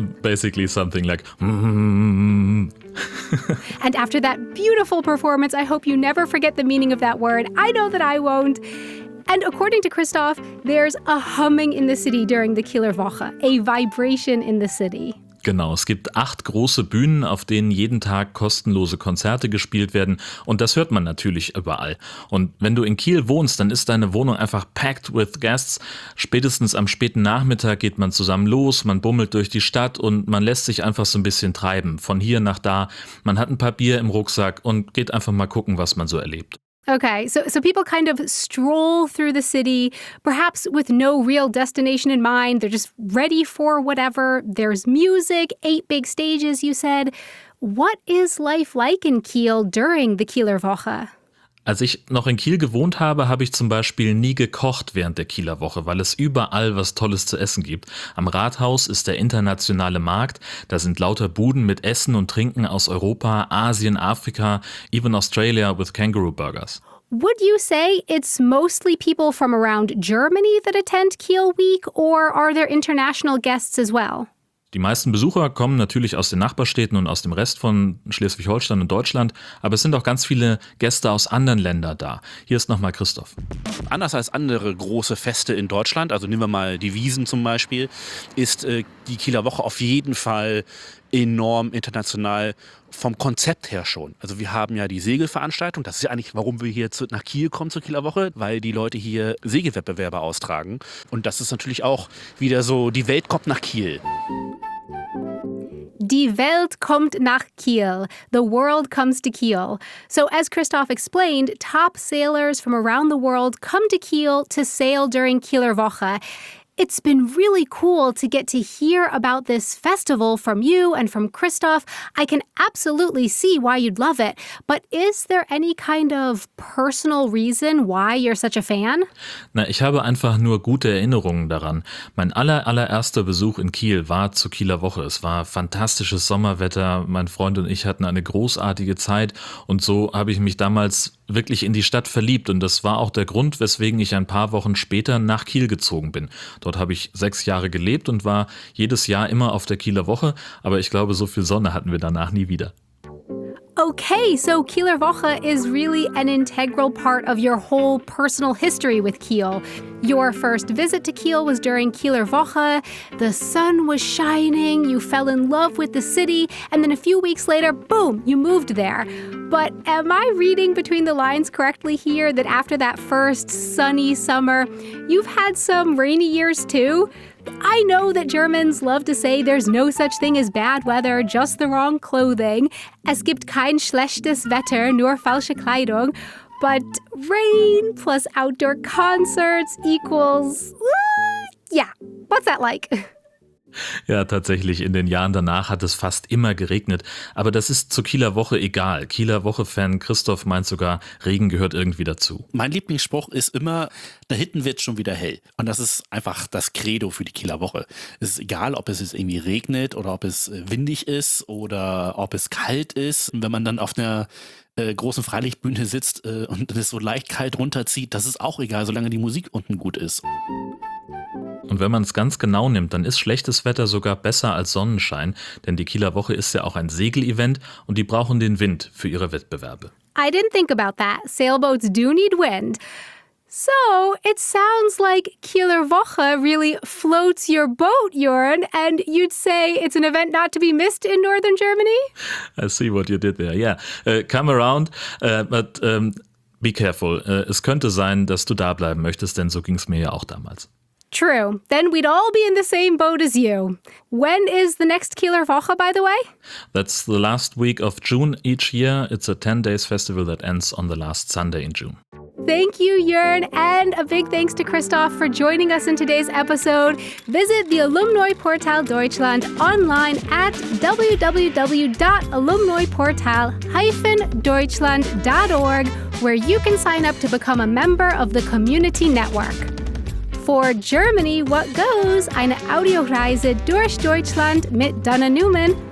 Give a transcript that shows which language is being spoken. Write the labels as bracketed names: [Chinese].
[English] Basically something like And after that beautiful performance, I hope you never forget the meaning of that word. I know that I won't. And according to Christoph, there's a humming in the city during the Kieler Woche, a vibration in the city. [German] Genau, es gibt 8 große Bühnen, auf denen jeden Tag kostenlose Konzerte gespielt werden. Und das hört man natürlich überall. Und wenn du in Kiel wohnst, dann ist deine Wohnung einfach [English] packed with guests. [German] Spätestens am späten Nachmittag geht man zusammen los, man bummelt durch die Stadt und man lässt sich einfach so ein bisschen treiben. Von hier nach da, man hat ein paar Bier im Rucksack und geht einfach mal gucken, was man so erlebt. [English] Okay, so people kind of stroll through the city, perhaps with no real destination in mind. They're just ready for whatever. There's music, 8 big stages, you said. What is life like in Kiel during the Kieler Woche? [German] Als ich noch in Kiel gewohnt habe, habe ich zum Beispiel nie gekocht während der Kieler Woche, weil es überall was Tolles zu essen gibt. Am Rathaus ist der internationale Markt, da sind lauter Buden mit Essen und Trinken aus Europa, Asien, Afrika, [English] even Australia with kangaroo burgers. Would you say it's mostly people from around Germany that attend Kiel Week or are there international guests as well? [German] Die meisten Besucher kommen natürlich aus den Nachbarstädten und aus dem Rest von Schleswig-Holstein und Deutschland, aber es sind auch ganz viele Gäste aus anderen Ländern da. Hier ist nochmal Christoph. Anders als andere große Feste in Deutschland, also nehmen wir mal die Wiesn zum Beispiel, ist die Kieler Woche auf jeden Fall enorm international vom Konzept her schon. Also wir haben ja die Segelveranstaltung, das ist ja eigentlich, warum wir hier nach Kiel kommen zur Kieler Woche, weil die Leute hier Segelwettbewerbe austragen. Und das ist natürlich auch wieder so, die Welt kommt nach Kiel. Die Welt kommt nach Kiel. [English] The world comes to Kiel. So as Christoph explained, top sailors from around the world come to Kiel to sail during Kieler Woche. It's been really cool to get to hear about this festival from you and from Christoph. I can absolutely see why you'd love it. But is there any kind of personal reason why you're such a fan? [German] Na, ich habe einfach nur gute Erinnerungen daran. Mein allererster Besuch in Kiel war zur Kieler Woche. Es war fantastisches Sommerwetter. Mein Freund und ich hatten eine großartige Zeit. Und so habe ich mich damals wirklich in die Stadt verliebt. Und das war auch der Grund, weswegen ich ein paar Wochen später nach Kiel gezogen bin. Dort habe ich 6 Jahre gelebt und war jedes Jahr immer auf der Kieler Woche. Aber ich glaube, so viel Sonne hatten wir danach nie wieder. [English] Okay, so Kieler Woche is really an integral part of your whole personal history with Kiel. Your first visit to Kiel was during Kieler Woche. The sun was shining, you fell in love with the city, and then a few weeks later, boom, you moved there. But am I reading between the lines correctly here that after that first sunny summer, you've had some rainy years too? I know that Germans love to say there's no such thing as bad weather, just the wrong clothing. [German] Es gibt kein schlechtes Wetter, nur falsche Kleidung. [English] But rain plus outdoor concerts equals... Yeah, what's that like? [German] Ja, tatsächlich, in den Jahren danach hat es fast immer geregnet. Aber das ist zur Kieler Woche egal. Kieler Woche-Fan Christoph meint sogar, Regen gehört irgendwie dazu. Mein Lieblingsspruch ist immer, da hinten wird es schon wieder hell. Und das ist einfach das Credo für die Kieler Woche. Es ist egal, ob es jetzt irgendwie regnet oder ob es windig ist oder ob es kalt ist. Und wenn man dann auf einer großen Freilichtbühne sitzt und es so leicht kalt runterzieht, das ist auch egal, solange die Musik unten gut ist. Und wenn man es ganz genau nimmt, dann ist schlechtes Wetter sogar besser als Sonnenschein, denn die Kieler Woche ist ja auch ein Segel-Event und die brauchen den Wind für ihre Wettbewerbe. [English] I didn't think about that. Sailboats do need wind. So, it sounds like Kieler Woche really floats your boat, Jörn, and you'd say it's an event not to be missed in northern Germany? I see what you did there. Yeah, come around, but be careful. [German] Es könnte sein, dass du da bleiben möchtest, denn so ging es mir ja auch damals. [English] True. Then we'd all be in the same boat as you. When is the next Kieler Woche, by the way? That's the last week of June each year. It's a 10-day festival that ends on the last Sunday in June. Thank you, Jörn, and a big thanks to Christoph for joining us in today's episode. Visit the Alumni Portal Deutschland online at www.alumniportal-deutschland.org, where you can sign up to become a member of the community network. For Germany, what goes? [German] Eine Audioreise durch Deutschland mit Dana Newman.